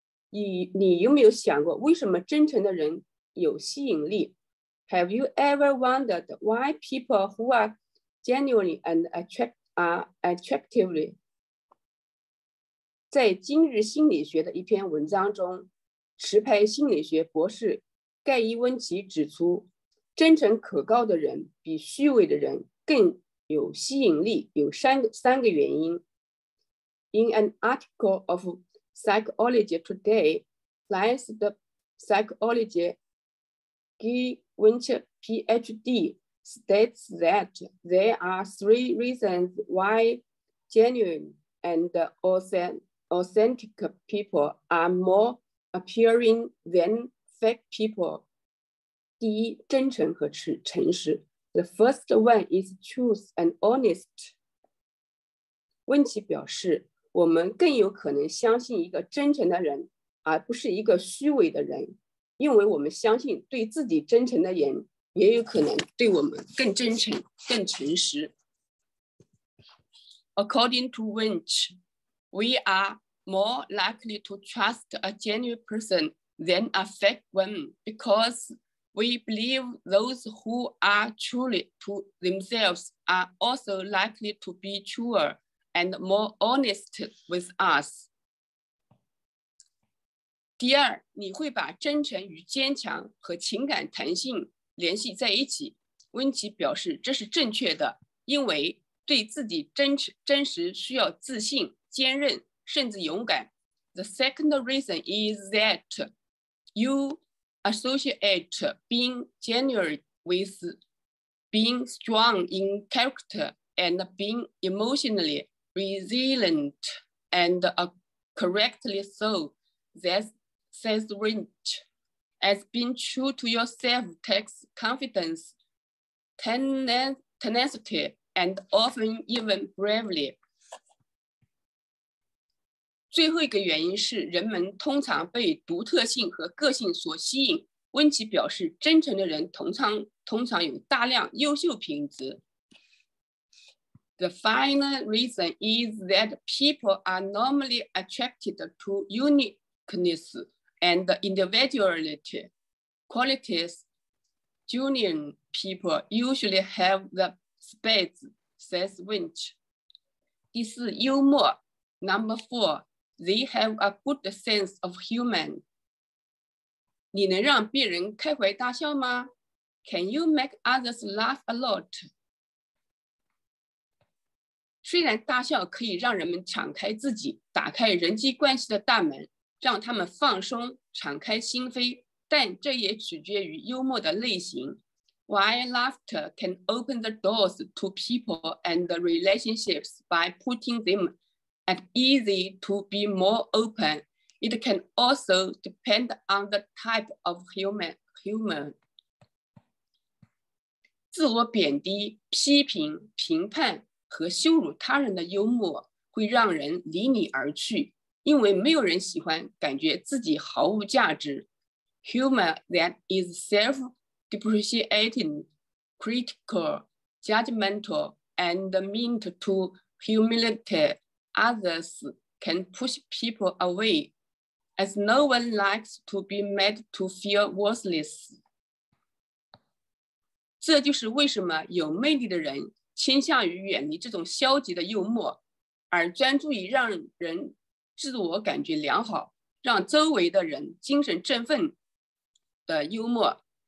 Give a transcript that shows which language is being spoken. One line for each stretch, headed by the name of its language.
Chinese: 你有没有想过为什么真诚的人有吸引力？
English: Have you ever wondered why people who are genuine and attractive?
Chinese: 在今日心理学的一篇文章中，持牌心理学博士盖伊温奇指出，真诚可靠的人比虚伪的人更有吸引力，有三个原因。
English: In an article of Psychology Today, licensed psychologist Guy Winch, PhD, states that there are three reasons why genuine and authentic people are more appealing than fake people.
Chinese: 第一，真诚和诚实。
English: The first one is truth and honest.
Chinese: 温奇表示，我们更有可能相信一个真诚的人，而不是一个虚伪的人，因为我们相信对自己真诚的人，也有可能对我们更真诚、更诚实。
English: According to Winch, we are more likely to trust a genuine person than a fake one because we believe those who are truly to themselves are also likely to be truer and more honest with us.
Chinese: 第二，你会把真诚与坚强和情感弹性联系在一起。温奇表示这是正确的，因为对自己真实需要自信、坚韧，甚至勇敢。
English: The second reason is that you associate being genuine with being strong in character and being emotionally resilient and correctly so. That says Winch. As being true to yourself takes confidence, tenacity, and often even bravery.
Chinese: 最后一个原因是人们通常被独特性和个性所吸引。温奇表示，真诚的人通常有大量优秀品质。
English: The final reason is that people are normally attracted to uniqueness and individuality. Qualities genuine people usually have the space, says Winch.
Chinese: 第四，幽默。
English: Number four, they have a good sense of humor.
Chinese: 你能让别人开怀大笑吗？
English: Can you make others laugh a lot?
Chinese: 虽然大笑可以让人们敞开自己，打开人际关系的大门，让他们放松，敞开心扉，但这也取决于幽默的类型。
English: Why laughter can open the doors to people and relationships by putting them at ease to be more open, it can also depend on the type of humor.
Chinese: 自我贬低、批评、评判和羞辱他人的幽默会让人离你而去，因为没有人喜欢感觉自己毫无价值。
English: Humor that is self-depreciating, critical, judgmental, and mean to humiliate others can push people away, as no one likes to be made to feel worthless.
Chinese: 这就是为什么有魅力的人倾向于远离这种消极的幽默，而专注于让人自我感觉良好，让周围的人精神振奋的幽默。